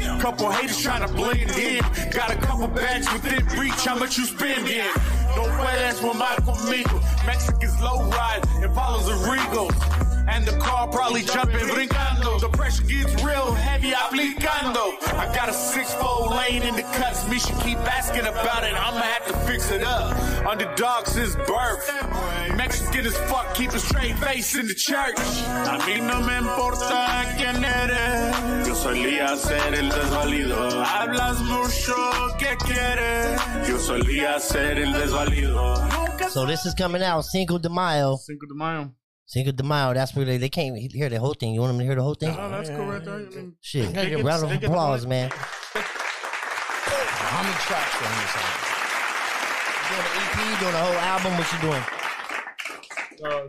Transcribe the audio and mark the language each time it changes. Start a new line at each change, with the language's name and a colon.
English: Couple haters trying to blend in. Got a couple bags within reach, how much you spend in?
Spanish: No puedes with my conmigo.
English: Mexicans low ride, Impalas and Regals. And the car probably jumping,
Spanish: brincando.
English: The pressure gets real heavy,
Spanish: aplicando.
English: I got a 6-4 lane in the cuts. Me should keep asking about it. I'ma have to fix it up. Underdog since birth. Mexican as fuck, keep a straight face in the church.
Spanish: A mí no me importa quién eres. Yo solía ser el desvalido. Hablas mucho, ¿qué quieres? Yo solía ser el desvalido.
English: So this is coming out, Cinco de Mayo. Cinco de Mayo. Cinco de Mayo, that's where they came. He hear the whole thing. You want them to hear the whole thing? No, that's cool right there. I mean, shit. Gotta get a round of applause, man. How many tracks are on this album? You doing an EP? You doing a whole album? What you doing?